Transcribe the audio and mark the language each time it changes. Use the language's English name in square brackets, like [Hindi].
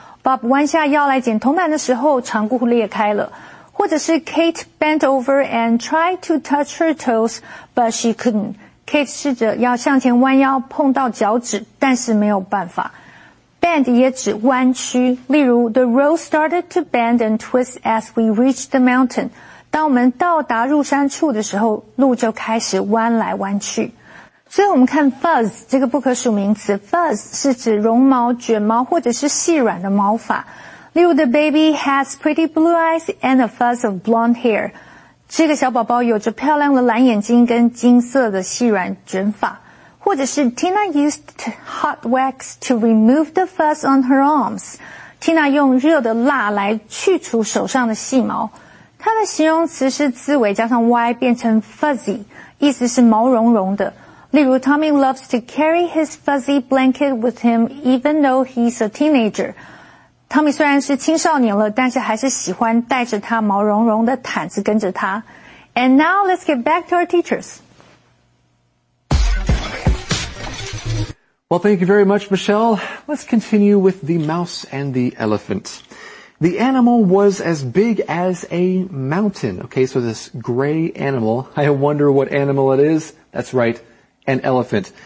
[Chinese] Bob 弯下腰来捡铜板的时候长裤裂开了。或者是 [English] Kate bent over and tried to touch her toes, but she couldn't. [Chinese] Kate 试着要向前弯腰碰到脚趾但是没有办法。 [English] Bend [Chinese] 也指弯曲，例如 [English] The road started to bend and twist as we reached the mountain. [Chinese] 当我们到达入山处的时候，路就开始弯来弯去。所以我们看 fuzz 这个不可数名词 ，fuzz 是指绒毛、卷毛或者是细软的毛发。例如 [English] The baby has pretty blue eyes and a fuzz of blonde hair. [Chinese] 这个小宝宝有着漂亮的蓝眼睛跟金色的细软卷发。或者是 [English] Tina used hot wax to remove the fuzz on her arms. [Chinese] Tina 用热的蜡来去除手上的细毛。它的形容词是字尾加上 y 变成 fuzzy, 意思是毛茸茸的。例如 [English] Tommy loves to carry his fuzzy blanket with him even though he's a teenager. [Chinese] 汤米虽然是青少年了，但是还是喜欢带着他毛茸茸的毯子跟着他。 [English] And now let's get back to our teachers. Well, thank you very much, Michelle. Let's continue with the mouse and the elephant. The animal was as big as a mountain. Okay, so this gray animal. I wonder what animal it is. That's right. An elephant.